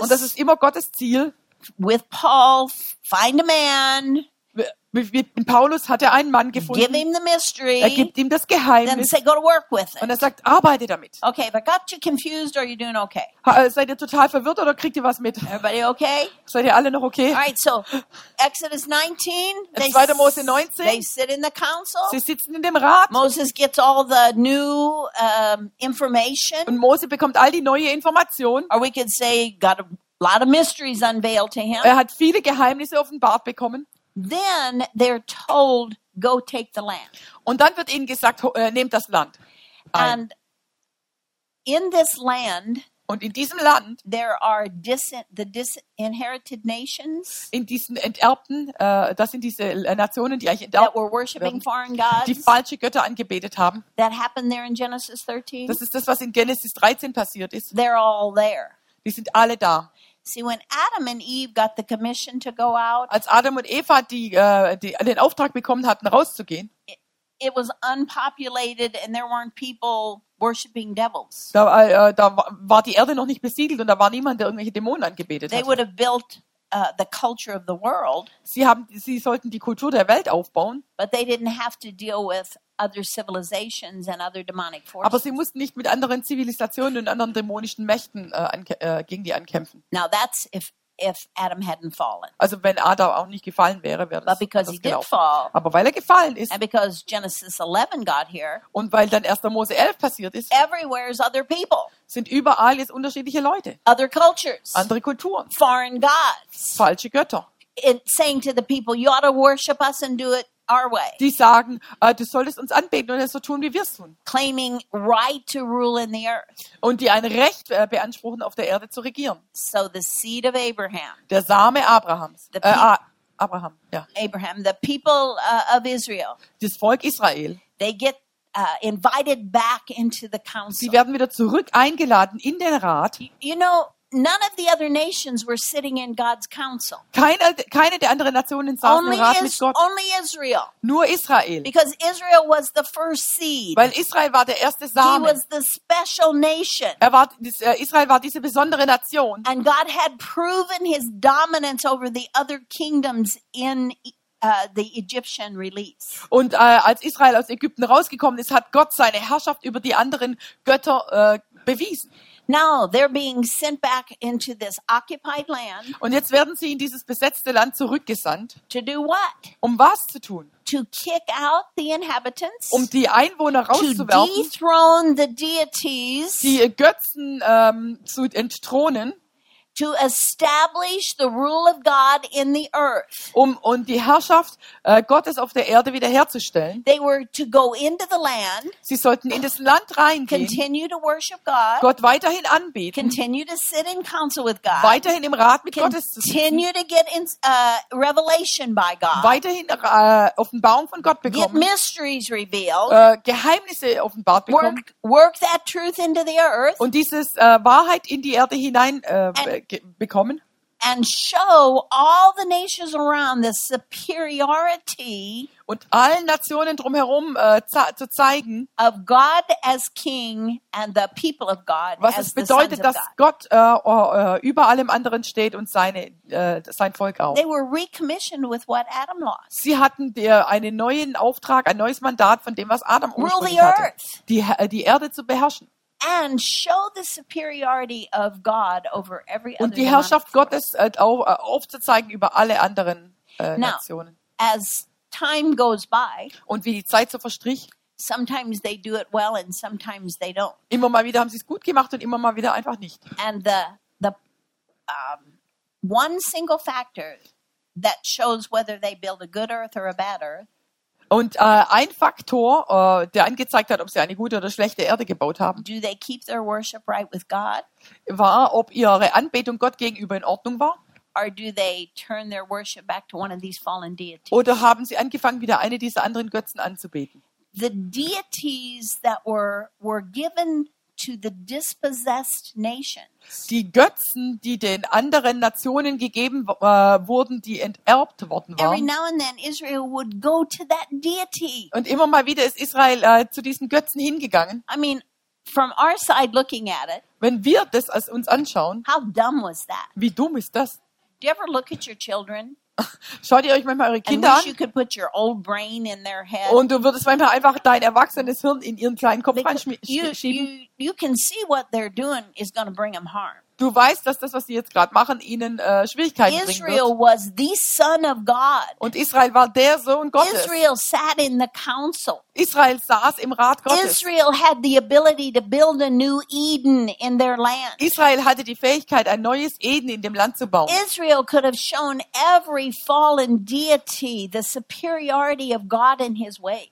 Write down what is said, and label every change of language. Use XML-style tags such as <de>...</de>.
<de>Und das ist immer Gottes Ziel.</de> <en>With Paul, find a man.</en> <de>Mit Paulus hat er einen Mann gefunden.</de> <en>Give him the mystery.</en> <de>Er gibt ihm das Geheimnis.</de> <en>Then say, go to work with it.</en> <de>Und er sagt, arbeite damit.</de> <en>Okay, but got you confused or are you doing okay?</en> <de>Seid ihr total verwirrt oder kriegt ihr was mit?</de> <en>Everybody okay?</en> <de>Seid ihr alle noch okay?</de> <en>All right, so Exodus 19.</en> <de>In 2. Mose 19.</de> <en>They sit in the council.</en> <de>Sie sitzen in dem Rat.</de> <en>Moses gets all the new information.</en> <de>Und Mose bekommt all die neue Information.</de> <en>Or we could say, got a lot of mysteries unveiled to him.</en> <de>Er hat viele Geheimnisse offenbart bekommen.</de> <en>Then they're told, go take the land.</en> <de>Und dann wird ihnen gesagt, nehmt das Land.</de> <en>And in this land,</en> <de>und in diesem Land,</de> <en>there are disinherited nations.</en> <de>In diesen enterbten, das sind diese Nationen, die eigentlich enterbt,</de> <en>that were worshiping foreign gods,</en> <de>die falsche Götter angebetet haben.</de> <en>That happened there in Genesis 13.</en> <de>Das ist das, was in Genesis 13 passiert ist.</de> <en>They're all there.</en> <de>Die sind alle da.</de> <en>See, when Adam and Eve got the commission to go out,</en> <de>als Adam und Eva den Auftrag bekommen hatten, rauszugehen,</de> <en>it was unpopulated and there weren't people worshiping devils.</en> <de>Da war die Erde noch nicht besiedelt und da war niemand, der irgendwelche Dämonen angebetet hat.</de> <en>They would have built the culture of the world.</en> <de>Sie sollten die Kultur der Welt aufbauen.</de> <en>But they didn't have to deal with other civilizations and other demonic forces.</en> <de>Aber sie mussten nicht mit anderen Zivilisationen und anderen dämonischen Mächten gegen die ankämpfen.</de> <en>Now that's if Adam hadn't fallen.</en> <de>Also wenn Adam auch nicht gefallen wäre, wäre das,</de> <en>but because</en> <de>das</de> <en>he did fall,</en> <de>aber weil er gefallen ist</de> <en>and because Genesis 11 got here,</en> <de>und weil dann 1. Mose 11 passiert ist,</de> <en>everywhere is other people.</en> <de>Sind überall jetzt unterschiedliche Leute.</de> <en>Other cultures,</en> <de>andere Kulturen.</de> <en>Foreign gods,</en> <de>falsche Götter.</de> <en>In saying to the people, you ought to worship us and do it our way.</en> <de>Die sagen, du solltest uns anbeten und es so tun, wie wir es tun.</de> <en>Claiming right to rule in the earth.</en> <de>Und die ein Recht beanspruchen, auf der Erde zu regieren.</de> <en>So the seed of Abraham.</en> <de>Der Same Abrahams. Abraham, ja.</de> <en>Abraham, the people of Israel.</en> <de>Das Volk Israel.</de> <en>They get invited back into the council.</en> <de>Sie werden wieder zurück eingeladen in den Rat.</de> <en>You know, none of the other nations were sitting in God's council.</en> <de>Keine der anderen Nationen saßen im Rat mit Gott.</de> <en>Only Israel.</en> <de>Nur Israel.</de> <en>Because Israel was the first seed.</en> <de>Weil Israel war der erste Samen.</de> <en>He was the special nation.</en> <de>Israel war diese besondere Nation.</de> <en>And God had proven his dominance over the other kingdoms in the Egyptian release.</en> <de>Und als Israel aus Ägypten rausgekommen ist, hat Gott seine Herrschaft über die anderen Götter bewiesen.</de> <en>Now they're being sent back into this occupied land.</en> <de>Und jetzt werden sie in dieses besetzte Land zurückgesandt.</de> <en>To do what?</en> <de>Um was zu tun?</de> <en>To kick out the inhabitants.</en> <de>Um die Einwohner rauszuwerfen.</de> <en>To dethrone the deities.</en> <de>Die Götzen zu entthronen.</de> <en>To establish the rule of God in the earth.</en> <de>Um die Herrschaft Gottes auf der Erde wiederherzustellen.</de> <en>They were to go into the land.</en> <de>Sie sollten in das Land reingehen.</de> <en>Continue to worship God.</en> <de>Gott weiterhin anbeten.</de> <en>Continue to sit in council with God.</en> <de>Weiterhin im Rat mit Gottes zu sitzen.</de> <en>Continue to get in revelation by God.</en> <de>Weiterhin Offenbarung von Gott bekommen.</de> <en>Get mysteries revealed.</en> <de>Geheimnisse offenbart bekommen.</de> <en>Work that truth into the earth.</en> <de>Und dieses Wahrheit in die Erde hinein bekommen.</de> <en>And show all the nations around the superiority,</en> <de>und allen Nationen drumherum zu zeigen,</de> <en>of God as King and the people of God,</en> <de>was es bedeutet, dass Gott über allem anderen steht und sein Volk auch.</de> <en>They were recommissioned with what Adam lost.</en> <de>Sie hatten einen neuen Auftrag, ein neues Mandat von dem, was Adam ursprünglich hatte, die Erde zu beherrschen.</de> <en>And show the superiority of God over every other.</en> <de>Und die Herrschaft Gottes aufzuzeigen über alle anderen Nationen.</de> <en>Now, as time goes by.</en> <de>Und wie die Zeit so verstrich.</de> <en>Sometimes they do it well and sometimes they don't.</en> <de>Immer mal wieder haben sie es gut gemacht und immer mal wieder einfach nicht.</de> <en>And the one single factor that shows whether they build a good earth or a bad earth.</en> <de>Und ein Faktor, der angezeigt hat, ob sie eine gute oder schlechte Erde gebaut haben,</de> <en>do they keep their worship right with God?</en> <de>War, ob ihre Anbetung Gott gegenüber in Ordnung war.</de> <en>Or do they turn their worship back to one of these fallen deities?</en> <de>Oder haben sie angefangen, wieder eine dieser anderen Götzen anzubeten?</de> <en>The deities that were given to the dispossessed nations.</en> <de>Die Götzen, die den anderen Nationen gegeben wurden, die enterbt worden waren.</de> <en>Every now and then Israel would go to that deity.</en> <de>Und immer mal wieder ist Israel zu diesen Götzen hingegangen.</de> <en>I mean, from our side looking at it.</en> <de>Wenn wir das als uns anschauen.</de> <en>How dumb was that?</en> <de>Wie dumm ist das?</de> <en>Do you ever look at your children?</en> <de>Schaut ihr euch manchmal eure Kinder</de> <en>and</en> <de>an?</de> <en>You could put your old brain in their head.</en> <de>Und du würdest manchmal einfach dein erwachsenes Hirn in ihren kleinen Kopf reinschieben. Du weißt, dass das, was sie jetzt gerade machen, ihnen Schwierigkeiten</de> <en>Israel</en> <de>bringen</de> <en>was the son of God.</en> <de>Und Israel war der Sohn Gottes.</de> <en>Israel sat in the council.</en> <de>Israel saß im Rat Gottes.</de> <en>Israel had the ability to build a new Eden in their land.</en> <de>Israel hatte die Fähigkeit, ein neues Eden in dem Land zu bauen.</de> <en>Israel could have shown every fallen deity the superiority of God in his way.</en>